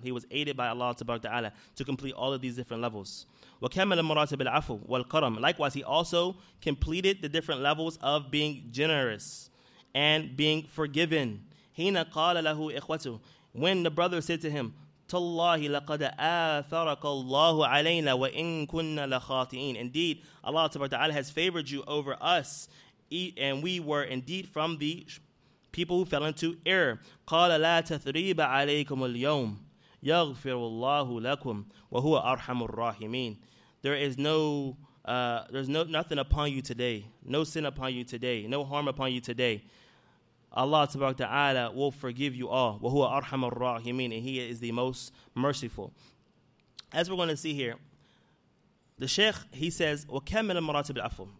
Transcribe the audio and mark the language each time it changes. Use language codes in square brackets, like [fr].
[en] He was aided by Allah subhanahu wa ta'ala to complete all of these different levels. [ar] وَكَمَلَ مُرَاتِبِ الْعَفُوِ وَالْقَرَمِ. [en] Likewise, he also completed the different levels of being generous and being forgiven. [ar] هِنَا قَالَ لَهُ إِخْوَتُهُ. [en] When the brother said to him, [ar] تَاللَّهِ لَقَدْ آثَرَكَ اللَّهُ عَلَيْنَا وَإِن كُنَّا لَخَاطِئِينَ. [en] Indeed, Allah subhanahu wa ta'ala has favored you over us, and we were indeed from the people who fell into error. [ar] قَالَ لَا تَثْرِيبَ عَلَيْكُمُ الْيَوْمِ يغفر الله لكم وهو أرحم الراحمين. [en] There is no, nothing upon you today. No sin upon you today. No harm upon you today. Allah subhanahu wa ta'ala will forgive you all. [ar] وهو أرحم الراحمين. [en] And He is the most merciful. As we're going to see here, the Sheikh, he says, [ar] وكمل مراتب العفو.